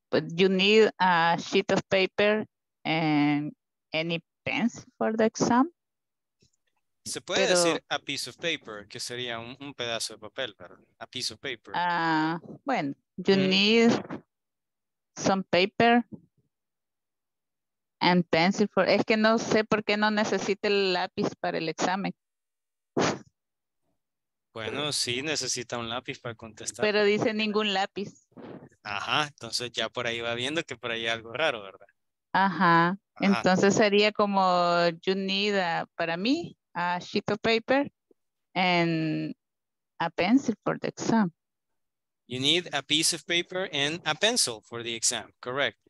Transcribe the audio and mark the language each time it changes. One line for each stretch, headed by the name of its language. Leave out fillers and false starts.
English: But you need a sheet of paper and any pencil for the exam?
Spanish: Se puede pero, decir
English: a piece of paper,
Spanish: que sería un pedazo de papel, ¿verdad? A piece of paper.
English: Bueno, you need some paper and pencil for...
Spanish: Es que no sé por qué no necesita el lápiz para el examen. Bueno, sí necesita un lápiz para contestar. Pero dice ningún lápiz. Ajá, entonces ya por ahí va viendo que por ahí hay algo raro, ¿verdad? Ajá, entonces sería como
English: you need a,
Spanish: para mí...
English: A sheet of paper and a pencil for the exam. You need a piece of paper and a pencil for the exam, correct.